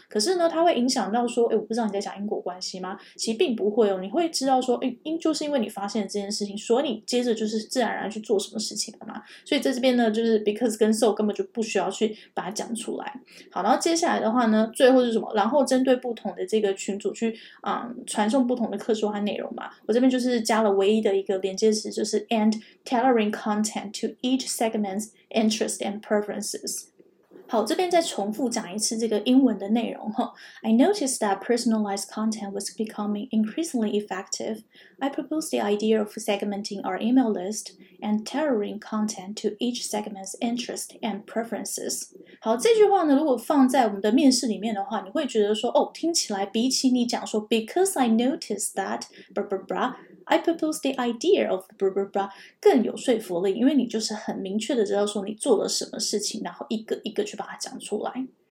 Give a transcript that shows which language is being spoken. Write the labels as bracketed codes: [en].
[zh] 可是呢它会影响到说，诶，我不知道你在讲因果关系吗？其实并不会哦，你会知道说，诶，就是因为你发现了这件事情，所以你接着就是自然而然去做什么事情了嘛。所以在这边呢就是 because 跟 so 根本就不需要去把它讲出来。好，然后接下来的话呢最后是什么，然后针对不同的这个群组去传送不同的课说和内容嘛。我这边就是加了唯一的一个连接词，就是 [en] and tailoring content to each segment's interest and preferences. [zh] 好，这边再重复讲一次这个英文的内容。 [en] I noticed that personalized content was becoming increasingly effective. I proposed the idea of segmenting our email list and tailoring content to each segment's interest and preferences. [zh] 好，这句话呢，如果放在我们的面试里面的话，你会觉得说，哦，听起来比起你讲说 [en] because I noticed that, blah, blah, blah,I propose the idea of blah blah [zh] blah 更有说服力，因为你就是很明确的知道说你做了什么事情，然后一个一个去把它讲出来。